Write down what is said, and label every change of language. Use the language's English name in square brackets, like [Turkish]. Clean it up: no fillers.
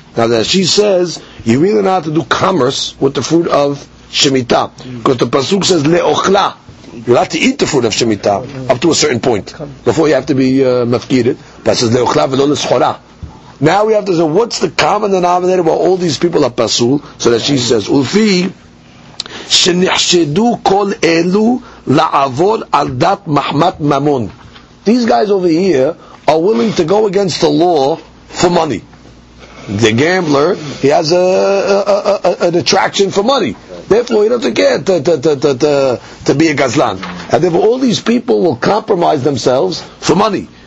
[English] Now that she says, you really know how to do commerce with the fruit of Shemitah. Because the Pasuk says, Le'okhla. You have to eat the fruit of Shemitah up to a certain point before you have to be mafkirit. But says le'ochla v'lo l'schora. Now we have to say, what's the common denominator where all these people are pasul? So that she says, ulfi [Hebrew] שנחשדו כל אלו לעבור על דת מחמת ממון. [English] These guys over here are willing to go against the law for money. The gambler, he has an attraction for money. Therefore, he doesn't care to be a gazlan. And therefore, all these people will compromise themselves for money.